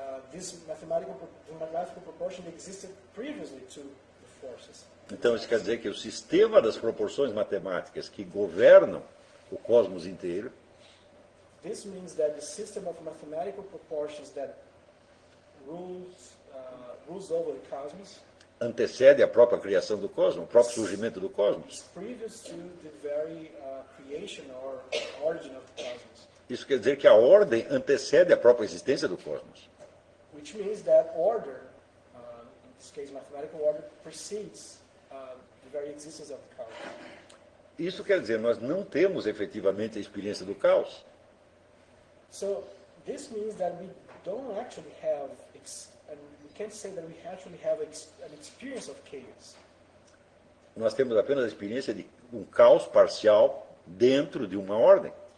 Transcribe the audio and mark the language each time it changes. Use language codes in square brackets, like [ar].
[en] This mathematical proportion existed previously to the forces. [pt] Então, isso quer dizer que o sistema das proporções matemáticas que governam o cosmos inteiro. [en] This means that the system of mathematical proportions that rules over the cosmos [pt] antecede a própria criação do cosmos, o próprio surgimento do cosmos. [en] Previous to the very creation or origin of the cosmos. [pt] Isso quer dizer que a ordem antecede a própria existência do cosmos. [en] Which means that order, in this case mathematical order, precedes the very existence of the caos. [pt] Isso quer dizer, nós não temos efetivamente a experiência do caos. [en] So, this means that we don't actually have, and we can't say that we actually have an experience of chaos. [pt] Nós temos apenas a experiência de um caos parcial dentro de uma ordem.